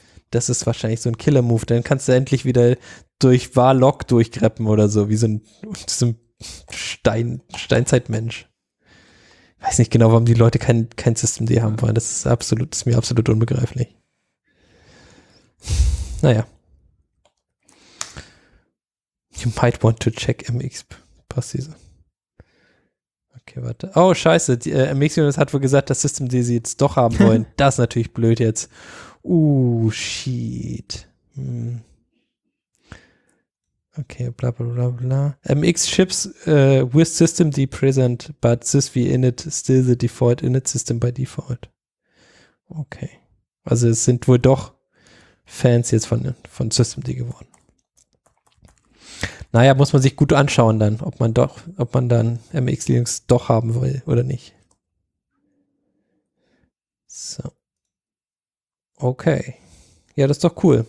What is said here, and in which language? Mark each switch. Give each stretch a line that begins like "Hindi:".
German: Das ist wahrscheinlich so ein Killer-Move. Dann kannst du endlich wieder durch Warlock durchgreppen oder so, wie so ein Steinzeitmensch. Ich weiß nicht genau, warum die Leute kein systemd haben wollen. Das ist mir absolut unbegreiflich. Naja.
English: You might want to check MX Passes.
German: Okay, warte. Oh, scheiße. MX Linux hat wohl gesagt, das System, die sie jetzt doch haben wollen. Das ist natürlich blöd jetzt.
English: Shit.
German: Okay, bla bla bla bla.
English: MX ships with System D present, but sysv init still the default init system by default.
German: Okay. Also es sind wohl doch Fans jetzt von systemd geworden. Naja, muss man sich gut anschauen dann, ob man dann MX Linux doch haben will oder nicht. So. Okay. Ja, das ist doch cool.